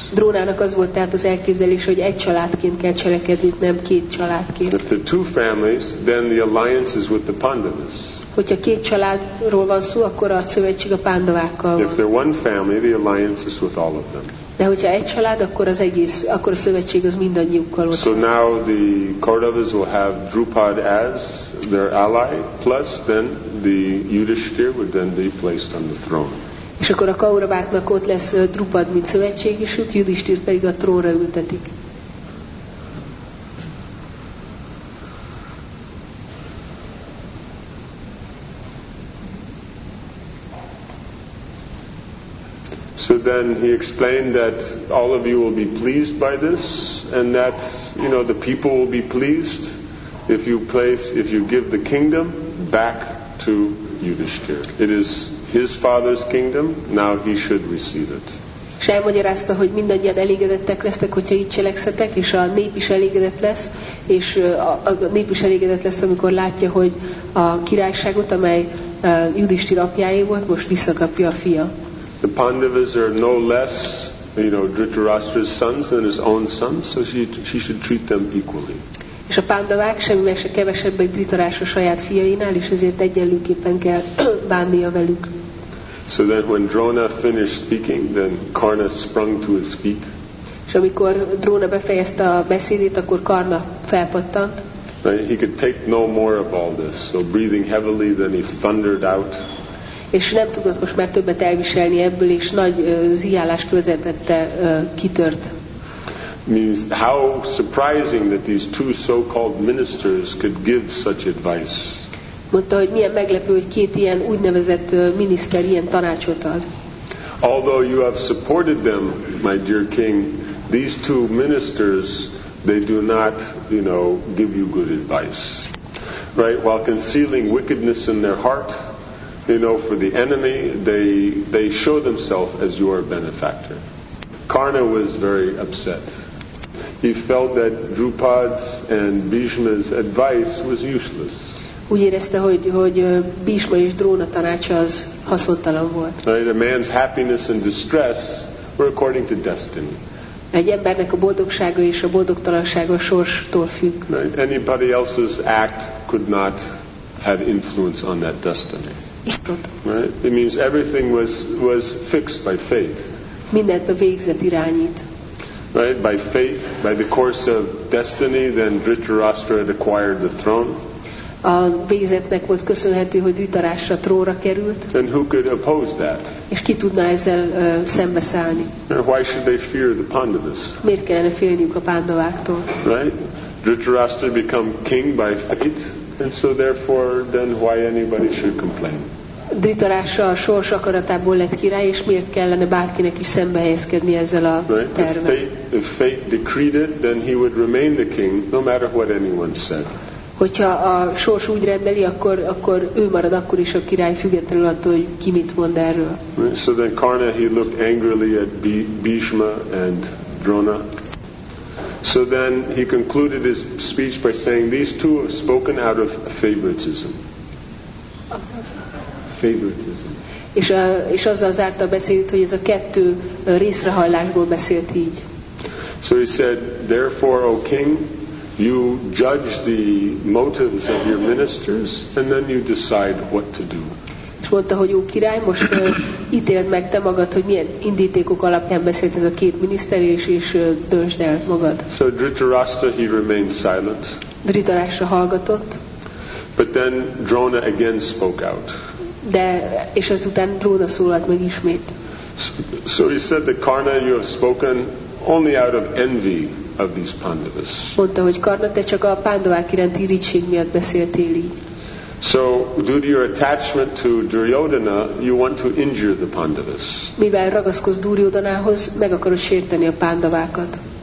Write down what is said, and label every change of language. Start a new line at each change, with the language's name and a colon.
Hungarian: Drónának az volt tehát az elképzelés, hogy egy családként kell cselekedni, nem két családként.
English: If they're two families, then the alliance is with the Pandavas.
Hungarian: Hogyha két családról van szó, akkor a szövetség a Pándavákkal van.
English: If they're one family, the alliance is with all of them.
Hungarian: De hogyha egy család, akkor az egész, akkor a szövetség az mindannyiukkal ott.
English: So now the Kauravas will have Drupad as their ally, plus then the Yudhishthir would then be placed on the throne.
Hungarian: És akkor a Kauraváknak ott lesz Drupad, mint szövetségisük, Yudhishthir pedig a trónra ültetik.
English: So then he explained that all of you will be pleased by this, and that, you know, the people will be pleased if you place, if you give the kingdom back to Yudhishthir. It is his father's kingdom, now he should receive it.
Hungarian: És elmagyarázta, hogy mindannyian elégedettek lesztek, hogyha így cselekszetek, és a nép is elégedett lesz, és a nép is elégedett lesz, amikor látja, hogy a királyságot, amely Yudhishthir apjáé volt, most visszakapja a fia.
English: The Pandavas are no less, you know, Dhritarashtra's sons than his own sons, so she should treat them equally.
Hungarian: És a Pandavák semmivel se kevesebb egy Dhritarashtra saját fiainál, és ezért egyenlőképpen kell bánnia velük.
English: So then when Drona finished speaking, then Karna sprung to his feet.
Hungarian: És amikor Drona befejezte a beszédét, akkor Karna felpattant.
English: He could take no more of all this, so breathing heavily, then he thundered out.
Hungarian: És nem tudott most már többet elviselni ebből, és nagy zihálás közepette kitört.
English: Means how surprising that these two so-called ministers could give such advice.
Hungarian: Mondta, hogy milyen meglepő, hogy két ilyen úgynevezett miniszter ilyen tanácsot ad.
English: Although you have supported them, my dear king, these two ministers, they do not, you know, give you good advice. Right, while concealing wickedness in their heart, you know, for the enemy, they show themselves as your benefactor. Karna was very upset. He felt that Drupad's and Bhishma's advice was useless.
Hungarian: Úgy érezte, hogy Bhishma és Drona tanácsa az haszontalan volt.
English: Right, a man's happiness and distress were according to destiny.
Hungarian: Egy embernek a boldogsága és a boldogtalansága sorstól függ.
English: Right, anybody else's act could not have influence on that destiny. Right? It means everything was fixed by fate.
Hungarian: Mindent a végzet irányít.
English: Right? By fate, by the course of destiny, then Dhritarashtra had acquired the throne.
Hungarian: A végzetnek volt köszönhető, hogy Dhritarashtra trónra került.
English: And who could oppose that?
Hungarian: És ki tudná ezzel szembeszállni?
English: And why should they fear the Pandavas?
Hungarian: Miért kellene félniük a Pándaváktól?
English: Right? Dhritarashtra become king by fate. And so therefore, then why anybody should complain?
Hungarian: Dhritarashtra a sors akaratából lett király, és miért kellene bárkinek is szembehelyezkedni ezzel a tervvel?
English: If fate decreed it, then he would remain the king, no matter what anyone said.
Hungarian: Hogyha a sors úgy rendeli, akkor ő marad akkor is a király, függetlenül attól, hogy ki mit mond erről.
English: So then Karna, he looked angrily at Bhishma and Drona. So then he concluded his speech by saying, these two have spoken out of favoritism. Favoritism.
Hungarian: És azzal zárta a beszédét, hogy ez a kettő részrehajlásból beszélt így.
English: So he said, therefore, O king, you judge the motives of your ministers, and then you decide what to do.
Hungarian: És mondta, hogy ó király, most ítéld meg te magad, hogy milyen indítékok alapján beszélt ez a két miniszter, és döntsd el magad.
English: So Dhritarashtra, he remained silent.
Hungarian: Dhritarashtra hallgatott.
English: But then Drona again spoke out.
Hungarian: De, és azután Drona szólalt meg ismét.
English: So he said that Karna, you have spoken only out of envy of these Pandavas.
Hungarian: Mondta, hogy Karna, te csak a Pándavák iránti irigység miatt beszéltél így.
English: So due to your attachment to Duryodhana, you want to injure the Pandavas.
Hungarian: Mivel ragaszkodsz Duryodhanához, meg akarod sérteni a Pándavákat.